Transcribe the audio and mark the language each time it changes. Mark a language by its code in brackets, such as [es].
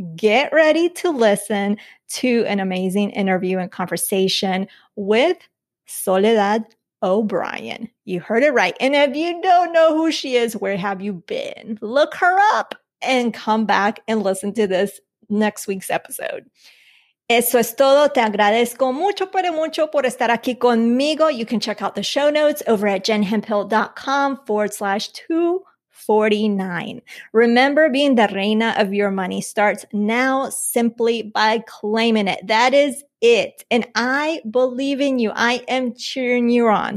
[en] Get ready to listen to an amazing interview and conversation with Soledad O'Brien. You heard it right. And if you don't know who she is, where have you been? Look her up and come back and listen to this next week's episode. [es] Eso es todo. Te agradezco mucho, pero mucho por estar aquí conmigo. [en] You can check out the show notes over at jenhemphill.com/249. Remember, being the reina of your money starts now simply by claiming it. That is it. And I believe in you. I am cheering you on.